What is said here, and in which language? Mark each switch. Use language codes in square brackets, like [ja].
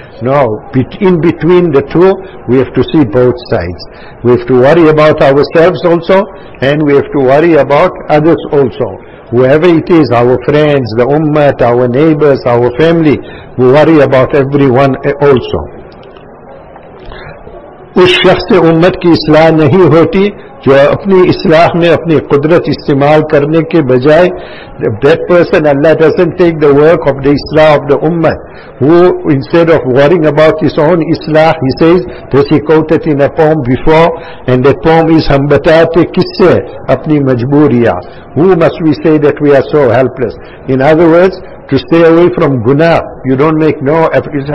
[en] No, in between the two, we have to see both sides. We have to worry about ourselves also, and we have to worry about others also. Whoever it is, our friends, the ummah, our neighbors, our family, we worry about everyone also. [ur] اس شخص سے امت کی اصلاح نہیں ہوتی جو اپنی اصلاح میں اپنی قدرت استعمال کرنے کے بجائے [en] that person, Allah doesn't take the work [ur] of the اصلاح of the ummah. [en] Who, instead of worrying about his own اصلاح, he says, this he quoted in a poem before, and that poem is [ur] ہم بتاتے کس سے اپنی مجبوریہ. [en] Who must we say that we are so helpless? In other words, to stay away from guna, you don't make no effort.